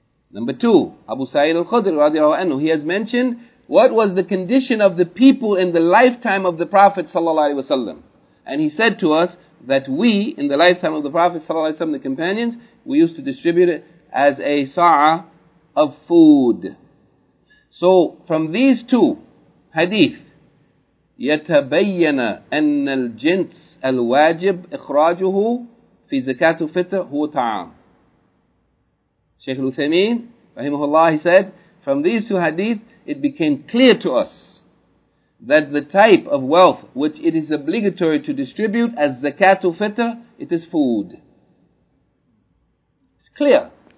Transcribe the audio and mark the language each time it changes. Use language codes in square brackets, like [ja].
[en] Number two, Abu Sa'id al-Khudri radiallahu anhu, he has mentioned what was the condition of the people in the lifetime of the Prophet sallallahu alayhi wa sallam. And he said to us that we, in the lifetime of the Prophet sallallahu alayhi wa sallam, the companions, we used to distribute it as a sa'a of food. So, from these two hadith, [ar] يَتَبَيَّنَ أَنَّ الْجِنْسَ الْوَاجِبْ إِخْرَاجُهُ فِي زَكَاةُ فِتْرَ هُوَ طَعَامُ. [en] Shaykh Al-Uthaymeen, rahimahullah, he said, from these two hadith, it became clear to us that the type of wealth which it is obligatory to distribute as zakat al-fitr, it is food. It's clear.